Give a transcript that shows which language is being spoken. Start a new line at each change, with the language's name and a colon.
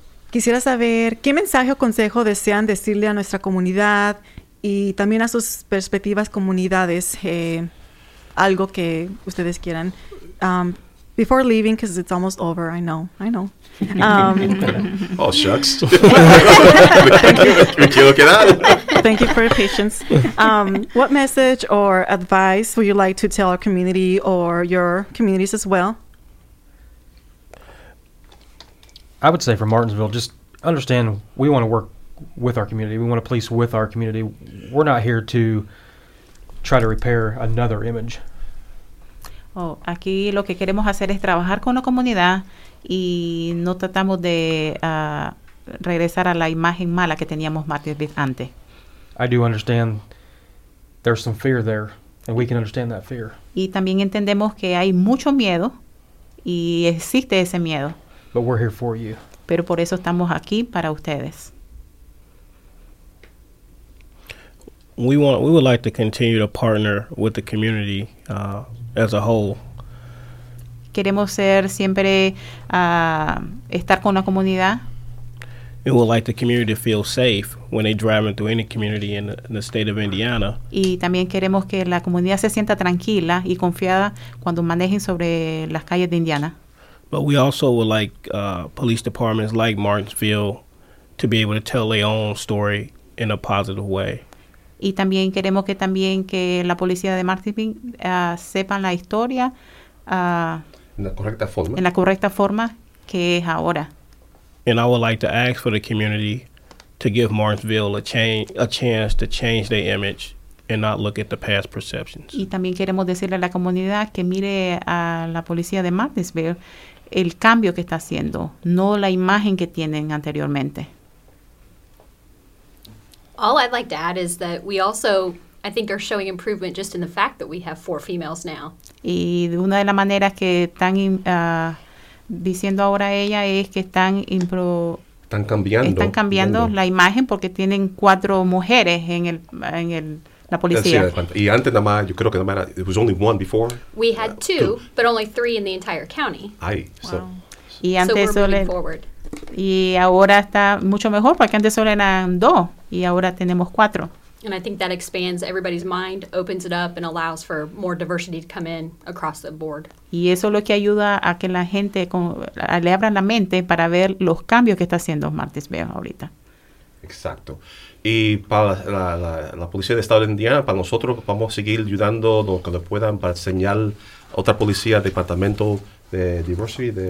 Spanish: Quisiera saber qué mensaje o consejo desean decirle a nuestra comunidad y también a sus perspectivas comunidades, algo que ustedes quieran.
English: Before leaving, because it's almost over, I know. Oh, shucks. Thank you for your patience. What message or advice would you like to tell our community or your communities as well? I would say for Martinsville, just understand we want to work with our community. We want to police with our community. We're not here to try to repair another image.
Spanish: Oh, aquí lo que queremos hacer es trabajar con la comunidad y no tratamos de regresar a la imagen mala que teníamos Martinsville antes.
English: I do understand there's some fear there, and we can understand that fear.
Spanish: Y también entendemos que hay mucho miedo y existe ese miedo.
English: But we're here for you.
Spanish: Pero por eso estamos aquí para ustedes.
English: We would like to continue to partner with the community as a whole.
Spanish: Queremos ser siempre estar con la comunidad.
English: We would like the community to feel safe when they driving through any community in the state of Indiana.
Spanish: Y también queremos que la comunidad se sienta tranquila y confiada cuando manejen sobre las calles de Indiana.
English: But we also would like police departments like Martinsville to be able to tell their own story in a positive way.
Spanish: Y también queremos que también que la policía de Martinsville sepan la historia En la correcta forma que es ahora.
English: And I would like to ask for the community to give Martinsville a chance to change their image and not look at the past perceptions.
Spanish: Y también queremos decirle a la comunidad que mire a la policía de Martinsville el cambio que está haciendo, no la imagen que tienen anteriormente.
English: All I'd like to add is that we also, I think, are showing improvement just in the fact that we have 4 females now.
Spanish: Y una de las maneras que están diciendo ahora ella es que están cambiando la imagen porque tienen 4 mujeres en la policía. Y antes nada más, yo creo que nada más,
English: it was only one before. We had 2, but only 3 in the entire county. Ay, so. Wow.
Spanish: Y antes
English: so we're moving forward.
Spanish: Y ahora está mucho mejor porque antes solo eran 2 y ahora tenemos 4.
English: And I think that expands everybody's mind, opens it up, and allows for more diversity to come in across the board.
Spanish: Y eso es lo que ayuda a que la gente le abra la mente para ver los cambios que está haciendo Martinsville ahorita. Exacto. Y para la policía del estado de Indiana, para nosotros vamos a seguir ayudando lo que le puedan para señalar otra policía, departamento de diversidad.